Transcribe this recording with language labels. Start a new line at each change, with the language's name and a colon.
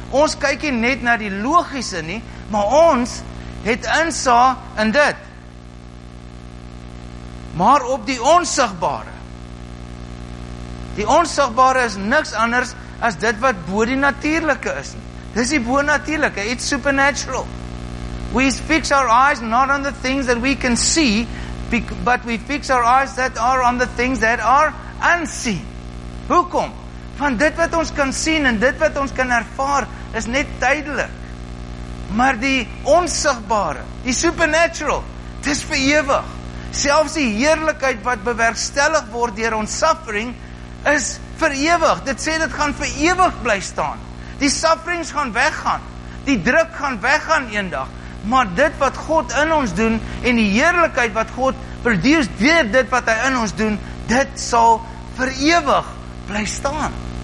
Afrikaans: Ons kyk nie net na die logiese nie, maar ons het insig in dit. Maar op die onsigbare. Die onsigbare is niks anders as dit wat bo die natuurlike is nie. Dis die bo natuurlike,
English: it's supernatural. We fix our eyes not on the things that we can see, but we fix our eyes that are on the things that are unseen.
Afrikaans: Hoekom? Van dit wat ons kan sien en dit wat ons kan ervaar, is net tydelik. Maar die onsigbare, die supernatural, dis vir ewig. Selfs die heerlikheid wat bewerkstellig word deur ons suffering, is vir ewig. Dit sê dit gaan vir ewig bly staan. Die sufferings gaan weggaan. Die druk gaan weggaan eendag. Maar dit wat God in ons doen, en die heerlikheid wat God produce deur dit wat hy in ons doen, dit sal vir ewig bly staan.